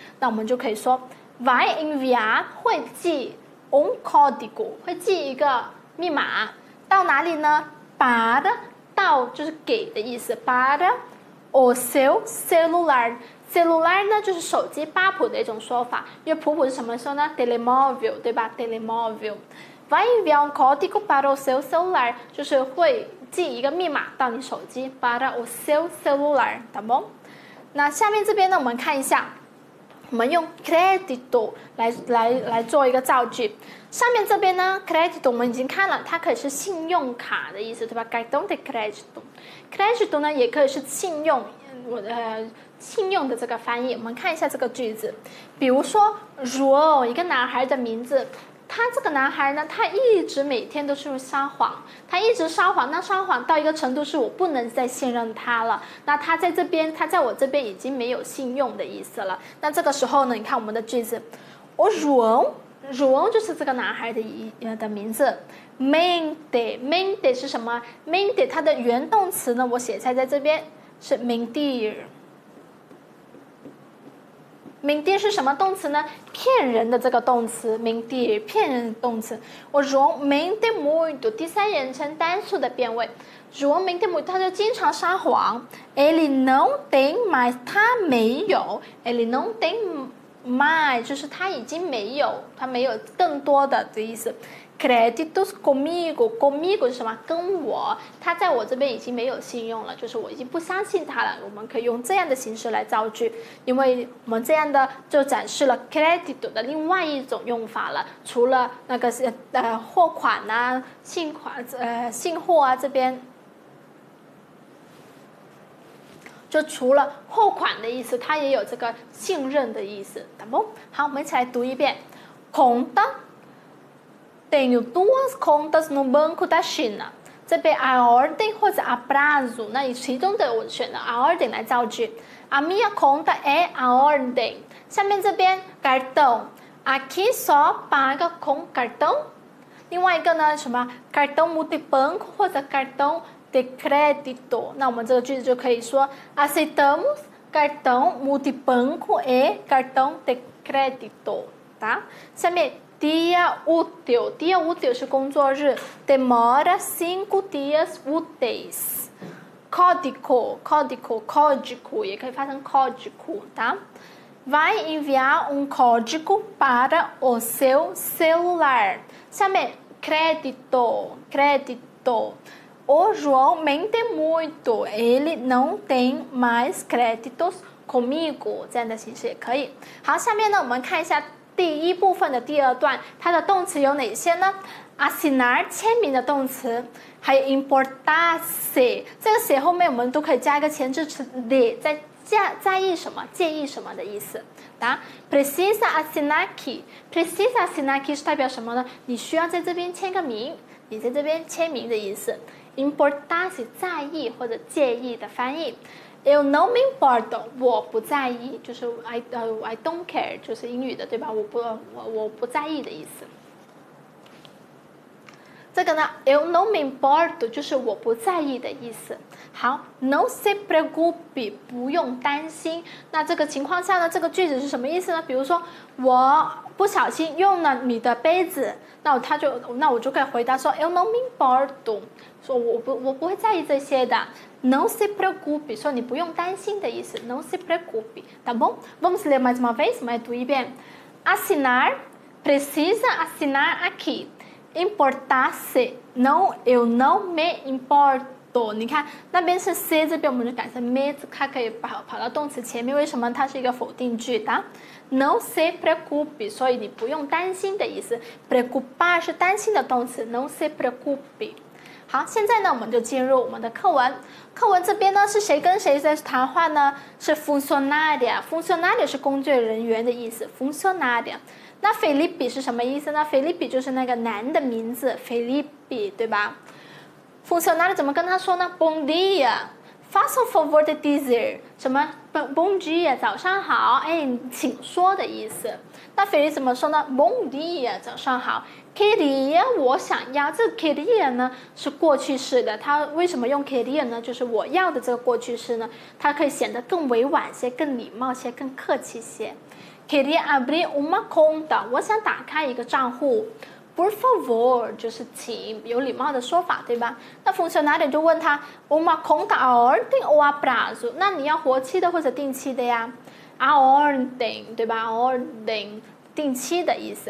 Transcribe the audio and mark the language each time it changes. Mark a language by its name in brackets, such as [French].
[Chinese] 那我们就可以说 [Portuguese] Vai enviar [Chinese] 会寄 [Portuguese] un código [Chinese] 会寄一个密码到哪里呢？ Para 到就是给的意思， [Portuguese] Para o seu celularcellular [Chinese] 呢就是手机，巴普的一种说法，因为普普是什么说呢？ [Portuguese] telemóvel， [Chinese] 对吧？ [Portuguese] telemóvel。 Vai enviar um código para o seu celular [Chinese] 就是会寄一个密码到你手机， [Portuguese] para o seu celular， [Chinese] 对吗？那下面这边呢我们看一下，我们用 crédito 来做一个造句。上面这边呢 crédito 我们已经看了，它可以是信用卡的意思，对吧？ [Portuguese] cartão de crédito。 [Chinese] crédito 呢也可以是信用，信用的这个翻译。我们看一下这个句子，比如说 João 一个男孩的名字，他这个男孩呢他一直每天都是撒谎，他一直撒谎，那撒谎到一个程度是我不能再信任他了，那他在这边，他在我这边已经没有信用的意思了。那这个时候呢你看我们的句子，我 João 就是这个男孩的名字。 Mente 是什么？ Mente 它的原动词呢我写在这边是 mentirmentir 是什么动词呢？骗人的这个动词 mentir， 骗人的动词。我 João [Portuguese] mente muito， [Chinese] 第三人称单数的变位。 João [Portuguese] mente muito， [Chinese] 他就经常撒谎。 [Portuguese] Ele não tem mais， [Chinese] 他没有。 [Portuguese] Ele não tem mais [Chinese] 就是他已经没有，他没有更多的这意思。 [Portuguese] créditos comigo， comigo [Chinese] 是什么？跟我。他在我这边已经没有信用了，就是我已经不相信他了。我们可以用这样的形式来造句，因为我们这样的就展示了 crédito 的另外一种用法了，除了那个货款啊、信款、信货啊这边，就除了货款的意思，它也有这个信任的意思，懂不？好，我们一起来读一遍。 [Portuguese] Conta tenho duas contas no banco da China。 [Chinese] 这边 [Portuguese] a ordem [Chinese] 或者 [Portuguese] a prazo， [Chinese] 那其中的我选的 a ordem 来造句。 [Portuguese] A minha conta é a ordem。 [Chinese] 下面这边 [Portuguese] cartão， aqui só paga com cartão。 [Chinese] 另外一个呢，什么 cartão multibanco 或者 [Portuguese] cartão de crédito？那我们这个句子就可以说 aceitamos cartão multibanco e cartão de crédito， [Chinese] 对吧？下面。 [Portuguese] Dia útil， dia útil [Chinese] 是工作日， [Portuguese] demora cinco dias úteis。 Código， código， código 也可以发成 código， 对。 Vai enviar um código para o seu celular。下面 crédito， crédito。 O João mente muito， ele não tem mais créditos comigo， 这样的形式也可以。 [Chinese] 好，下面呢我们看一下第一部分的第二段，它的动词有哪些呢？ assinar 签名的动词，还有 importarse， 这个写后面我们都可以加一个前置词 de， 在意什么，介意什么的意思。 [Portuguese] 答 precisa assinar aqui， precisa assinar aqui [Chinese] 是代表什么呢？你需要在这边签个名，你在这边签名的意思。 importarse 在意或者介意的翻译。 [Portuguese] Eu não me importo， [Chinese] 我不在意，就是 [English] I don't care， [Chinese] 就是英语的，对吧？我不在意的意思。这个呢 ， [Portuguese] Eu não me importo， [Chinese] 就是我不在意的意思。好 ， [Portuguese] No se preocupe， [Chinese] 不用担心。那这个情况下呢，这个句子是什么意思呢？比如说，不小心用了你的杯子，那我就可以回答说 [Portuguese] Eu não me importo， [Chinese] 说我不会在意这些的。 [Portuguese] Não se preocupe， [Chinese] 说你不用担心的意思。 [Portuguese] Não se preocupe， tá bom？ Vamos ler mais uma vez， [Chinese] 我们来读一遍。 [Portuguese] Assinar precisa assinar aqui。 Importar-se， não， eu não me importo。 [Chinese] 你看那边是 se， 这边我们就改成 me， 它可以跑到动词前面。为什么？它是一个否定句的。 [Portuguese] Não se preocupe， [Chinese] 所以你不用担心的意思。 Preocupar 是担心的动词。 [Portuguese] Não se preocupe。 [Chinese] 好，现在呢，我们就进入我们的课文。课文这边呢，是谁跟谁在谈话呢？是 funcionária。funcionária 是工作人员的意思。 [Portuguese] funcionária。 [Chinese] 那 Felipe 是什么意思呢？Felipe 就是那个男的名字， Felipe， 对吧？ Funcionário 怎么跟他说呢？ [Portuguese] Bom dia， faça o favor de dizer， 什么 bom dia， [Chinese] 早上好，哎，请说的意思。那 Felipe 怎么说呢？ [Portuguese] Bom dia， [Chinese] 早上好。 [Portuguese] Queria， [Chinese] 我想要。这个 queria 呢是过去式的，他为什么用 queria 呢？就是我要的这个过去式呢，它可以显得更委婉些，更礼貌些，更客气些。 [Portuguese] Queria abrir uma conta， [Chinese] 我想打开一个账户。 Por favor， 就是请，有礼貌的说法，对吧？那 funcionário 就问他 [Portuguese] uma conta a ordem ou a prazo， [Chinese] 那你要活期的或者定期的呀？ [Portuguese] A ordem， [Chinese] 对吧？ [Portuguese] A ordem， [Chinese] 定期的意思。